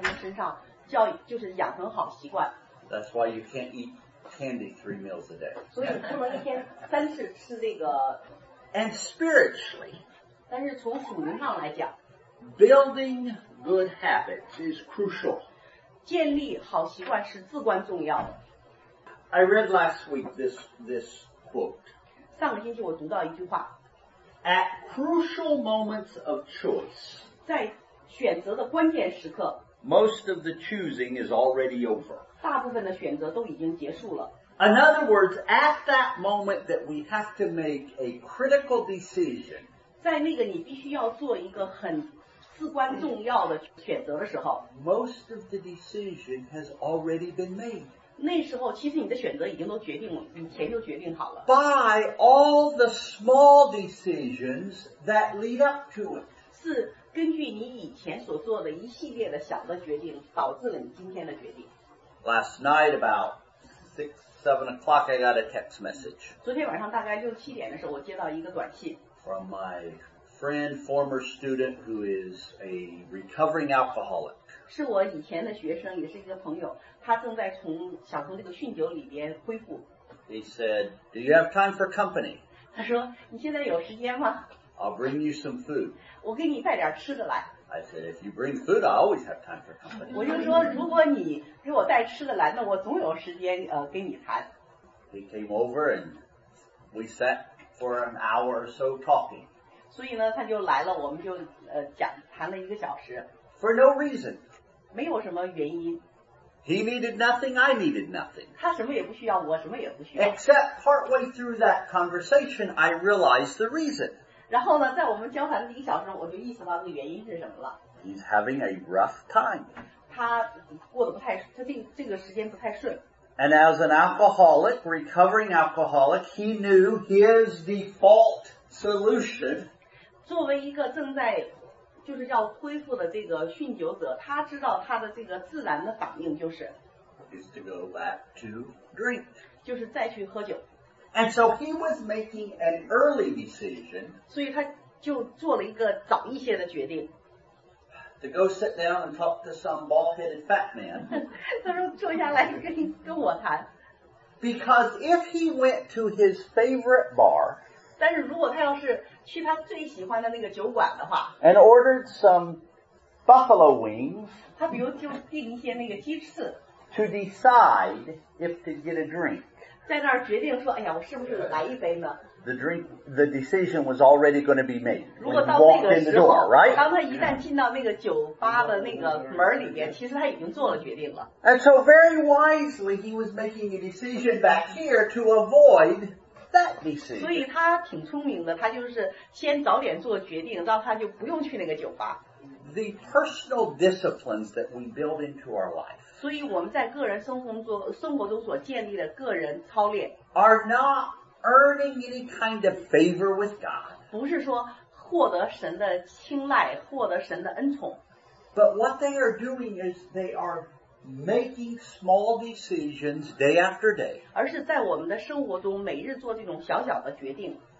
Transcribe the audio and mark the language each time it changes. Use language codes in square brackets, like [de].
[zh] 当我们教导小孩子的时候呢，我们是要在他们身上教，就是养成好习惯。 [en] That's why you can't eat candy 3 meals a day. [zh] 所以不能一天三次吃这个。 [en] And spiritually, [zh] 但是从属灵上来讲, [en] building good habits is crucial. [zh] 建立好习惯是至关重要的。 [en] I read last week this quote. [zh] 上个星期我读到一句话, [en] At crucial moments of choice, [zh] 在选择的关键时刻, [en] most of the choosing is already over. [zh] 大部分的选择都已经结束了。 [en] In other words, at that moment that we have to make a critical decision, [zh] 在那个你必须要做一个很至关重要的选择的时候, [en] most of the decision has already been made. [zh] 那时候其实你的选择已经都决定了，以前就决定好了。 [en] By all the small decisions that lead up to it. [zh] 是根据你以前所做的一系列的小的决定导致了你今天的决定。 [en] Last night about 6-7 o'clock I got a text message. [zh] 昨天晚上大概6-7点的时候我接到一个短信。 [en] From my friend, former student who is a recovering alcoholic. [zh] 是我以前的学生也是一个朋友他正在从想从这个酗酒里边恢复。 [en] He said, do you have time for company? [zh] 他说你现在有时间吗？ [en] I'll bring you some food. [zh] 我给你带点吃的来。 [en] I said, if you bring food, I always have time for company. [zh] 我就说如果你给我带吃的来那我总有时间给你谈。 [en] He came over and we sat for an hour or so talking. [zh] 所以呢他就来了我们就讲谈了一个小时。 [en] For no reason. [zh] 没有什么原因。 [en] He needed nothing, I needed nothing. [zh] 他什么也不需要我什么也不需要。 [en] Except partway through that conversation, I realized the reason. [zh] 然后呢在我们交谈的一小时我就意识到这个原因是什么了。 [en] He's having a rough time. [zh] 他过得不太他这个时间不太顺。 [en] And as an alcoholic, recovering alcoholic, he knew his default solution. [zh] 作为一个正在就是要恢复的这个酗酒者他知道他的这个自然的反应就是。 [en] Is to go back to drink. [zh] 就是再去喝酒。 [en] And so he was making an early decision. [zh] 所以他就做了一个早一些的决定。 [en] To go sit down and talk to some bald-headed fat man. [zh] 他说坐下来跟我谈。 [en] Because if he went to his favorite bar. [zh] 但是如果他要是去他最喜欢的那个酒馆的话。 [en] And ordered some buffalo wings. [zh] 他比如就订一些那个鸡翅。 [en] To decide if to get a drink. [zh] 在那儿决定说，哎呀，我是不是来一杯呢 [en] ？The decision was already going to be made. [zh] 如果到那个时候 [en] door,、right? [zh] 当他一旦进到那个酒吧的那个门里边，其实他已经做了决定了。 [en] And so very wisely, he was making a decision back here to avoid that decision. [zh] 所以他挺聪明的，他就是先早点做决定，让他就不用去那个酒吧。 [en] The personal disciplines that we build into our life. [zh] 所以我们在个人生活中所建立的个人操练 [en] are not earning any kind of favor with God. [zh] 不是说获得神的青睐，获得神的恩宠。 [en] But what they are doing is they are making small decisions day after day. [zh] 而是在我们的生活中每日做这种小小的决定